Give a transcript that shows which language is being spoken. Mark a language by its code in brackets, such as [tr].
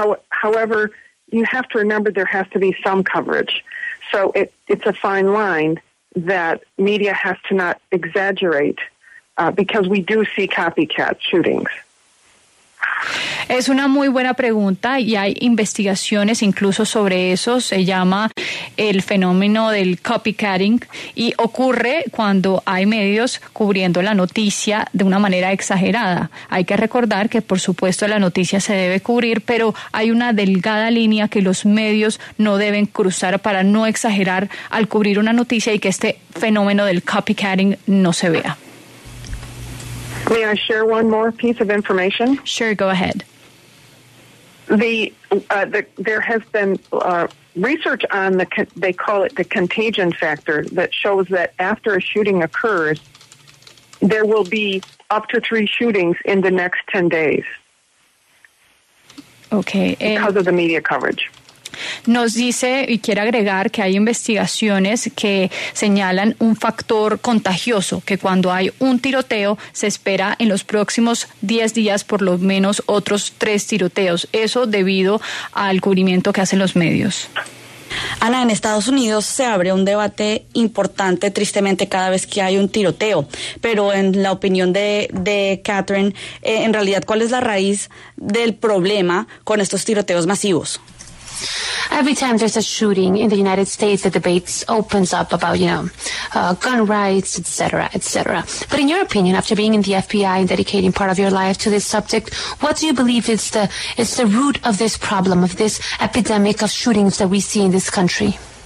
[en] However, you have to remember there has to be some coverage. So it's a fine line that media has to not exaggerate, because we do see copycat shootings. [es] Es una muy buena pregunta y hay investigaciones incluso sobre eso. Se llama el fenómeno del copycatting y ocurre cuando hay medios cubriendo la noticia de una manera exagerada. Hay que recordar que, por supuesto, la noticia se debe cubrir, pero hay una delgada línea que los medios no deben cruzar para no exagerar al cubrir una noticia y que este fenómeno del copycatting no se vea. [en] May I share one more piece of information? Sure, go ahead. There has been research on they call it the contagion factor, that shows that after a shooting occurs, there will be up to 3 shootings in the next 10 days. Okay. Because of the media coverage. [es] Nos dice, y quiere agregar, que hay investigaciones que señalan un factor contagioso, que cuando hay un tiroteo se espera en los próximos 10 días por lo menos otros 3 tiroteos, eso debido al cubrimiento que hacen los medios. Ana, en Estados Unidos se abre un debate importante, tristemente, cada vez que hay un tiroteo, pero en la opinión de Catherine, en realidad, ¿cuál es la raíz del problema con estos tiroteos masivos? [en] Every time there's a shooting in the United States, the debate opens up about, you know, gun rights, et cetera, et cetera. But in your opinion, after being in the FBI and dedicating part of your life to this subject, what do you believe is the root of this problem, of this epidemic of shootings that we see in this country?